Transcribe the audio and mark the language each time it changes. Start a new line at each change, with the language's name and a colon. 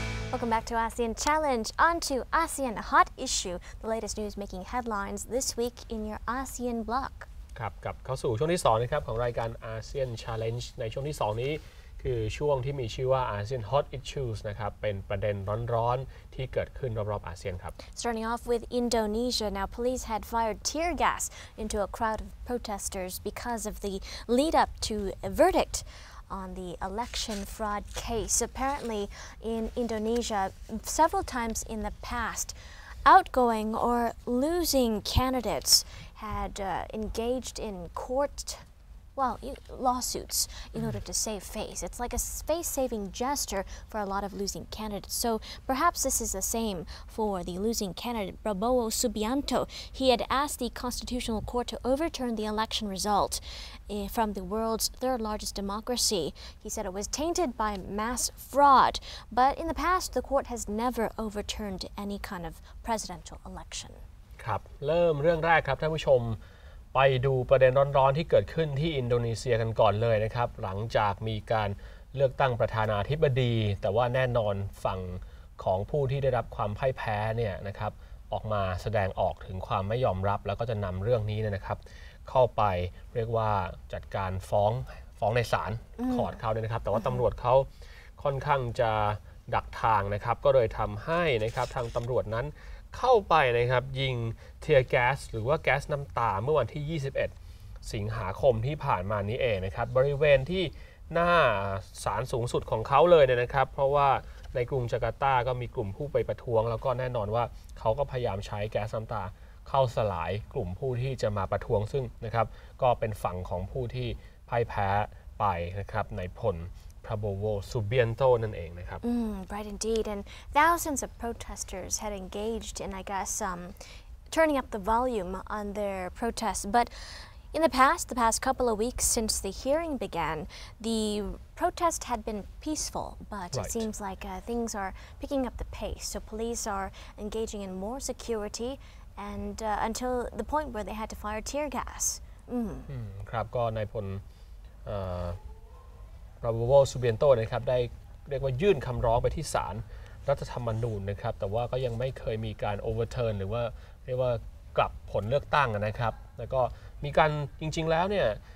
English: Welcome back to ASEAN Challenge, on to ASEAN Hot Issue, the latest news making headlines this week in your ASEAN block.
Thai: ครับกับเข้าสู่ช่วงที่2นะครับของรายการ ASEAN Challenge ในช่วงที่2นี้คือช่วงที่มีชื่อว่า ASEAN Hot Issues นะครับเป็นประเด็นร้อนๆที่เกิดขึ้นรอบๆอาเซียนครับ
English: Starting off with Indonesia, now police had fired tear gas into a crowd of protesters because of the lead up to a verdictOn the election fraud case, apparently in Indonesia, several times in the past, outgoing or losing candidates had engaged in court, well, lawsuits in order to save face. It's like a face-saving gesture for a lot of losing candidates. So perhaps this is the same for the losing candidate Prabowo Subianto. He had asked the Constitutional Court to overturn the election result. From the world's third largest democracy. He said it was tainted by mass fraud, but in the past, the court has never overturned any kind of presidential election.
Thai: ครับเริ่มเรื่องแรกครับท่านผู้ชมไปดูประเด็นร้อนๆที่เกิดขึ้นที่อินโดนีเซียกันก่อนเลยนะครับหลังจากมีการเลือกตั้งประธานาธิบดีแต่ว่าแน่นอนฝั่ง ของผู้ที่ได้รับความพ่ายแพ้เนี่ยนะครับออกมาแสดงออกถึงความไม่ยอมรับแล้วก็จะนำเรื่องนี้เนี่ยนะครับเข้าไปเรียกว่าจัดการฟ้องในศาลขอดเขาเนี่ยนะครับแต่ว่าตำรวจเขาค่อนข้างจะดักทางนะครับก็เลยทำให้นะครับทางตำรวจนั้นเข้าไปนะครับยิงเทียร์แก๊สหรือว่าแก๊สน้ำตาเมื่อวันที่21สิงหาคมที่ผ่านมานี้เองนะครับบริเวณที่หน้า ศาลสูงสุดของเขาเลยเนี่ยนะครับเพราะว่าในกรุงจาการ์ตาก็มีกลุ่มผู้ไปประท้วงแล้วก็แน่นอนว่าเขาก็พยายามใช้แก๊สน้ำตาเข้าสลายกลุ่มผู้ที่จะมาประท้วงซึ่งนะครับก็เป็นฝั่งของผู้ที่พ่ายแพ้ไปนะครับในพลPrabowo Subianto นั่นเองนะครับ
English: Right indeed, and thousands of protesters had engaged in, I guess, turning up the volume on their protests. But in the past couple of weeks since the hearing began, the protest had been peaceful, but right. It seems like things are picking up the pace. So police are engaging in more security and until the point where they had to fire tear gas.
Thai: ครับก็นายพลPrabowo Subianto นะครับได้เรียกว่ายื่นคำร้องไปที่ศาลรัฐธรรมนูญนะครับแต่ว่าก็ยังไม่เคยมีการ overturn หรือว่าเรียกว่ากลับผลเลือกตั้งนะครับแล้วก็มีการจริงๆแล้วเนี่ย